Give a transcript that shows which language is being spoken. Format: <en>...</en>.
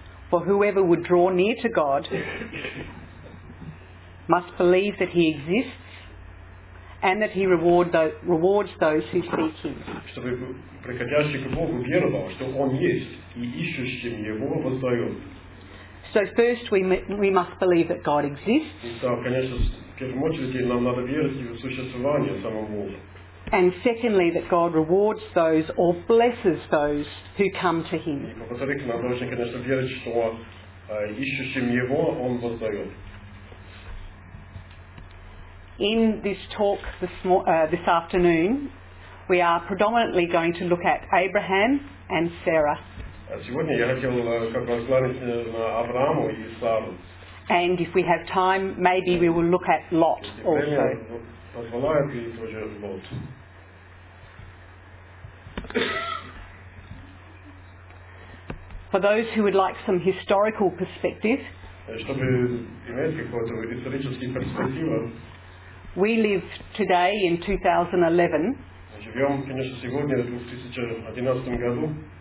<en>For whoever would draw near to God must believe that he exists and that he rewards those who seek him.</en> <ru>Чтобы приходящий к Богу веровал, что он есть, и ищущим его воздает.</ru> <en>So first we must believe that God exists.</en> <ru>Итак, конечно, в первую очередь нам надо верить в существование самого Бога.</ru> <en>And secondly, that God rewards those or blesses those who come to him.</en> <ru>И во-вторых, нам нужно, конечно, верить, что ищущим его он воздает.</ru> <en>In this talk this afternoon, we are predominantly going to look at Abraham and Sarah.</en> <ru>Сегодня я хотел как раз взглянуть на Авраама и Сару.</ru> <en>And if we have time, maybe we will look at Lot also.</en> <ru>Позволяет ли тоже Лот?</ru> <en>For those who would like some historical perspective,</en> <ru>чтобы иметь какую-то историческую перспективу,</ru> <en>we live today in 2011.</en> <ru>Живем, конечно, сегодня в 2011 году.</ru>